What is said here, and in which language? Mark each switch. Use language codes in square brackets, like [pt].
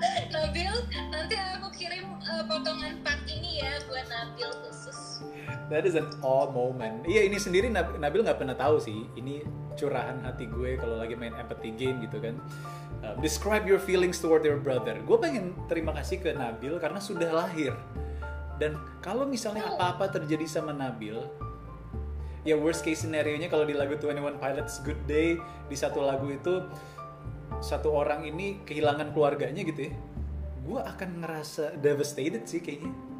[id] Nabil, nanti aku kirim potongan part ini ya buat Nabil khusus. [en] That is an awe moment. [id] Iya, ini sendiri Nabil gak pernah tahu sih. Ini curahan hati gue kalau lagi main empathy game gitu kan. [en] Describe your feelings toward your brother. [id] Gue pengen terima kasih ke Nabil karena sudah lahir. Dan kalau misalnya apa-apa terjadi sama Nabil, ya [en] worst case scenario- [id] nya kalau di lagu 21 Pilots Good Day, di satu lagu itu satu orang ini kehilangan keluarganya gitu ya, gue akan ngerasa devastated sih kayaknya.